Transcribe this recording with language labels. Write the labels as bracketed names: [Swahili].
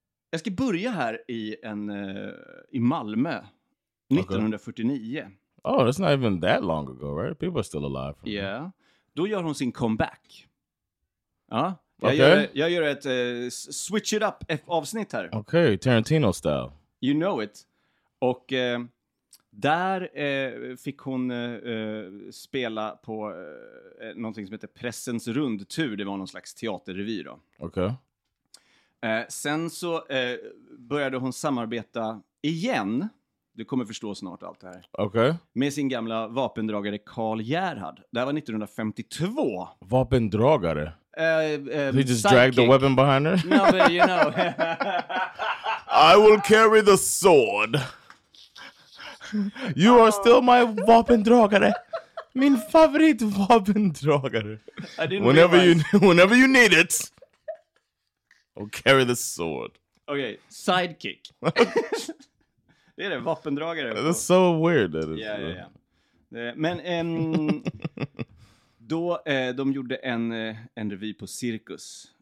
[Swedish] Jag ska börja här i Malmö 1949. [English] Okay. Oh, that's not even that long ago, right? People are still alive. Yeah. [Swedish] Ja, då gör hon sin comeback. Ja, jag gör ett [English] switch it up [Swedish] avsnitt här. [English] Okay, Tarantino style. You know it. [Swedish] Och Där fick hon spela på någonting som heter Pressens rundtur. Det var någon slags teaterrevy då. Okej. Sen så började hon samarbeta igen. Du kommer förstå snart allt det här. Okej. Med sin gamla vapendragare Carl Gerhard. Det var 1952. [English] Vapendragare? He just psychic. Dragged the weapon behind her? No, but you know. I will carry the sword. You are still my vapendragare. [Swedish] Min favorit vapendragare. [English] Whenever you need it, I'll carry the sword. Okay, sidekick. [Swedish] Det är det, vapendragare. [English] That's so weird. [Swedish] Ja, ja, ja. Men då de gjorde en revy på Cirkus.